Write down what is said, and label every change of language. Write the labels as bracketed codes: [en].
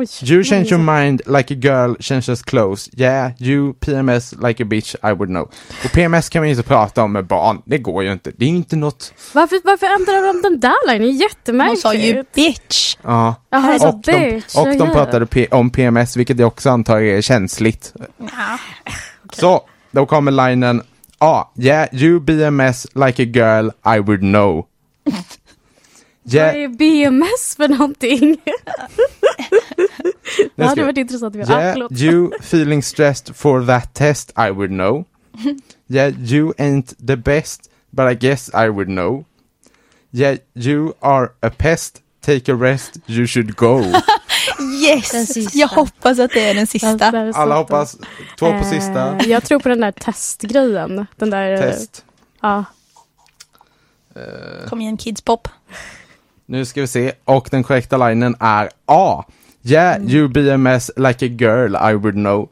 [en] "You change your mind like a girl changes clothes. Yeah, you PMS like a bitch, I would know." [sv] Och PMS kan man ju inte prata om med barn. Det går ju inte. Det är ju inte något... Varför ändrar de den där linjen? Det är jättemärkligt. Hon sa ju bitch. Ja. Aha, och [en] bitch. [sv] De pratade om PMS, vilket jag också antar är känsligt. Ja. [en] Okay. [sv] Så, då kommer linjen: [en] "Ah, yeah, you BMS like a girl, I would know." Yeah. [sv] Vad är BMS för någonting? Det hade varit intressant. [en] "Yeah, you feeling stressed for that test, I would know." "Yeah, you ain't the best, but I guess I would know." "Yeah, you are a pest, take a rest, you should go." [sv] Yes, jag hoppas att det är den sista. Alla hoppas, två på sista. Jag tror på den där testgrejen. Den där test. Ja. Kom igen, kids pop. Nu ska vi se, och den korrekta linjen är A: [en] "Yeah, you BMS like a girl, I would know."